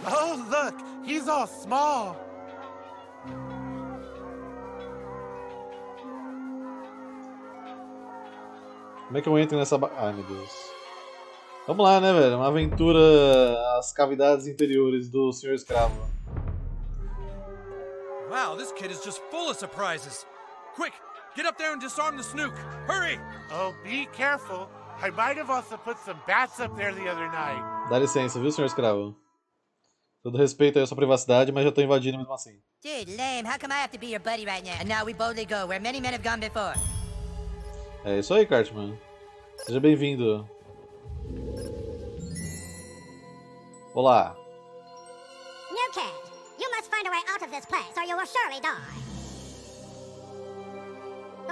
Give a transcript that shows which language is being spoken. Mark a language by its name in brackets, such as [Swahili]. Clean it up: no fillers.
[English] Oh, look! He's all small! [Portuguese] Como é que eu entro nessa ba... Ai, meu Deus. Vamos lá, né, velho? Uma aventura às cavidades interiores do Senhor Escravo. [English] Wow, this kid is just full of surprises. Quick, get up there and disarm the snook. Hurry! Oh, be careful. I might have also put some bats up there the other night. [Portuguese] Dá licença, viu, Senhor Escravo? Todo respeito aí à sua privacidade, mas já tô invadindo mesmo assim. [English] Dude, lame. How come I have to be your buddy right now? And now we boldly go where many men have gone before. [Portuguese] É isso aí, Cartman. Seja bem-vindo. Olá. [English] New kid, you must find a way out of this place or you will surely die.